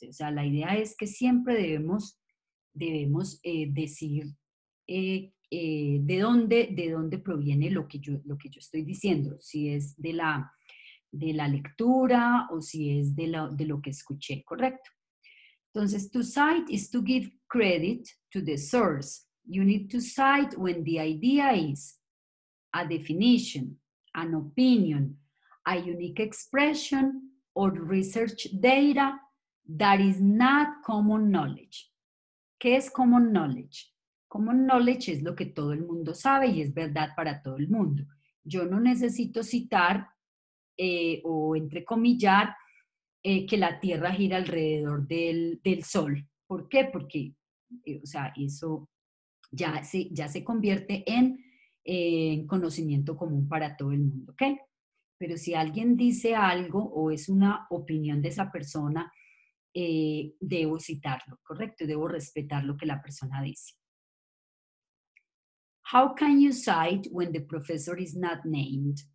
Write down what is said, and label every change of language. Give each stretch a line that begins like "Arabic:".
Spanish: O sea, la idea es que siempre debemos decir de dónde proviene lo que yo estoy diciendo. Si es de la lectura o si es de lo que escuché, ¿correcto?
English: Entonces, to cite is to give credit to the source. You need to cite when the idea is a definition, an opinion, a unique expression, or research data that is not common knowledge.
Spanish: ¿Qué es common knowledge? Common knowledge es lo que todo el mundo sabe y es verdad para todo el mundo. Yo no necesito citar o entrecomillar que la Tierra gira alrededor del Sol. ¿Por qué? Porque, eso... Ya se convierte en conocimiento común para todo el mundo, ¿ok? Pero si alguien dice algo o es una opinión de esa persona, debo citarlo, ¿correcto? Debo respetar lo que la persona dice.
English: How can you cite when the professor is not named?